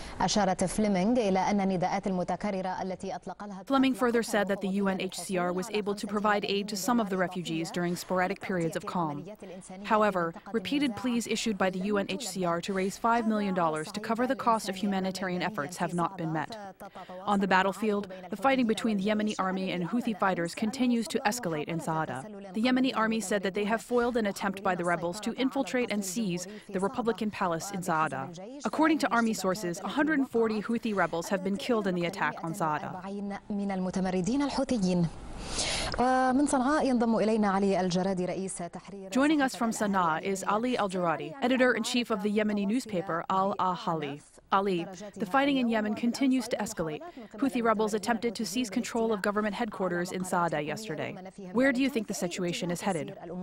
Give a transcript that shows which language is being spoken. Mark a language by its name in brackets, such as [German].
[Arabic] أشارت فليمينغ إلى أن النداءات المتكررة التي أطلقها. [English] Fleming further said that the UNHCR was able to provide aid to some of the refugees during sporadic periods of calm. However, repeated pleas issued by the UNHCR to raise $5 million to cover the cost of humanitarian efforts have not been met. On the battlefield, the fighting between the Yemeni army and Houthi fighters continues to escalate in Sa'ada. The Yemeni army said that they have foiled an attempt by the rebels to infiltrate and seize the Republican Palace in Sa'ada. According to army sources, 140 Houthi rebels have been killed in the attack on Sa'ada. [Arabic] من المتمردين الحوثيين. من صنعاء ينضم إلينا علي الجرادي رئيس تحرير. [English] Joining us from Sana'a is Ali Al-Jaradi, editor-in-chief of the Yemeni newspaper Al-Ahali. Ali, the fighting in Yemen continues to escalate. Houthi rebels attempted to seize control of government headquarters in Sa'ada yesterday. Where do you think the situation is headed?